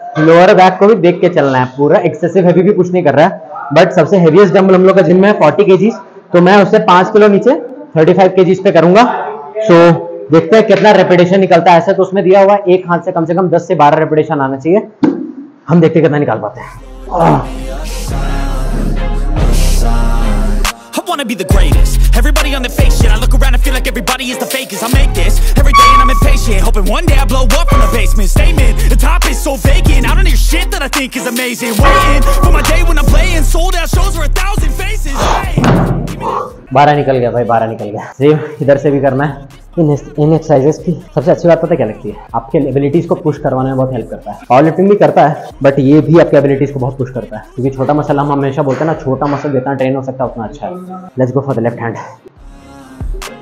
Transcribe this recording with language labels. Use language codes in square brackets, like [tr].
[hi] Lower back को भी देख के चलना है, पूरा एक्सेसिव हैवी भी कुछ नहीं कर रहा है, बट सबसे हैवीएस्ट डंबल हम लोग का जिम में है 40 केजीज, तो मैं उससे 5 किलो नीचे 35 केजीज पे करूंगा। सो देखते हैं कितना रेपिटेशन निकलता है। ऐसा तो उसमें दिया हुआ है एक हाथ से कम 10 से 12 रेपिटेशन आना चाहिए, हम देखते कितना निकाल पाते हैं। [en] Wanna be the greatest. Everybody on the fake shit. I look around and feel like everybody is the fakest. I make this every day and I'm impatient, hoping one day I blow up from the basement. Statement: the top is so vacant. I don't hear shit that I think is amazing. Waiting for my day when I'm playing sold out shows for 1,000 faces. [hi] Hey. 12 निकल गया भाई, 12 निकल गया। Same इधर से भी करना है। इन एक्सरसाइजेस की सबसे अच्छी बात पता क्या लगती है, आपके एबिलिटीज को पुश करवाने में बहुत हेल्प करता है। पावर लिफ्टिंग भी करता है, बट ये भी आपके एबिलिटीज को बहुत पुश करता है, क्योंकि छोटा मसल हम हमेशा बोलते हैं ना, छोटा मसल जितना ट्रेन हो सकता है उतना अच्छा है। [en] Let's go for the left hand.